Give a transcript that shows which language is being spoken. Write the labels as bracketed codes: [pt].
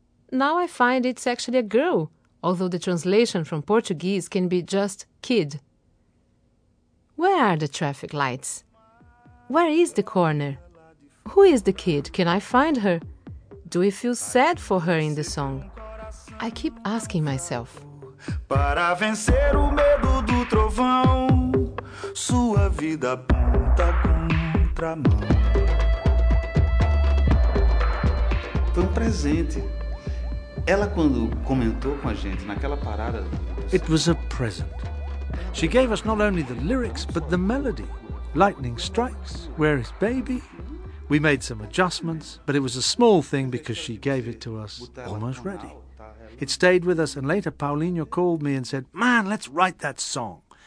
[en] Now I find it's actually a girl, although the translation from Portuguese can be just kid. Where are the traffic lights? Where is the corner? Who is the kid? Can I find her? Do we feel sad for her in the song? I keep asking myself. [pt] Para vencer o medo do trovão, sua vida ponta contra a mão. Tão presente. Ela quando comentou com a gente naquela parada. [en] It was a present. She gave us not only the lyrics, but the melody. Lightning strikes, where is baby? We made some adjustments, but it was a small thing because she gave it to us almost ready. It stayed with us, and later Paulinho called me and said, man, let's write that song.